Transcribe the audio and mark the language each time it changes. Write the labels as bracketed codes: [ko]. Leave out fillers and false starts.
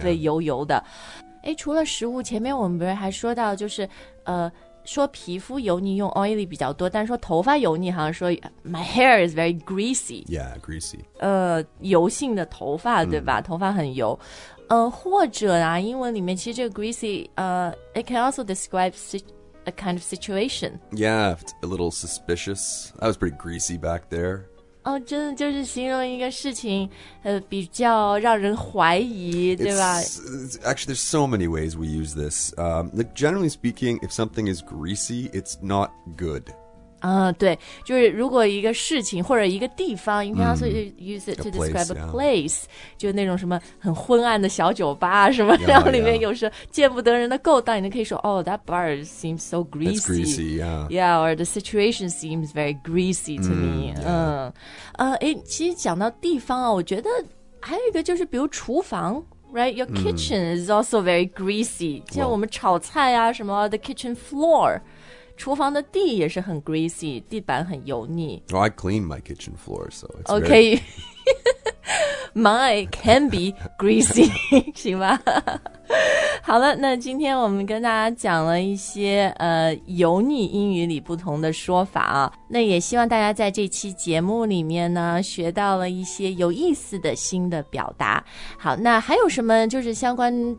[zh] 对油油的诶除了食物前面我们不是还说到就是说皮肤油腻用 oily 比较多但是说头发油腻好像说 [en] my hair is very greasy yeah greasy [zh] 油性的头发对吧、头发很油或者啊英文里面其实这个 greasy [en] it can also describe a kind of situation yeah it's a little suspicious I was pretty greasy back there [zh] 真的就是形容一个事情比较让人怀疑对吧 [en] actually there's so many ways we use this like generally speaking if something is greasy it's not good [zh] 对就是如果一个事情或者一个地方 [en] you can also use it to describe a place、 [zh] 就那种什么很昏暗的小酒吧什么 [en] yeah, [zh] 然后里面有时候见不得人的勾当你可以说 [en] oh that bar seems so greasy it's greasy yeah yeah or the situation seems very greasy to me [zh] 其实讲到地方我觉得还有一个就是比如厨房 [en] right your kitchen is also very greasy [zh] 像我们炒菜啊什么 [en] the kitchen floor [zh] 厨房的地也是很 greasy 地板很油腻 [en] Oh, I clean my kitchen floor so it's okay my can be greasy [zh] 行吧好了那今天我们跟大家讲了一些油腻英语里不同的说法啊那也希望大家在这期节目里面呢学到了一些有意思的新的表达好那还有什么就是相关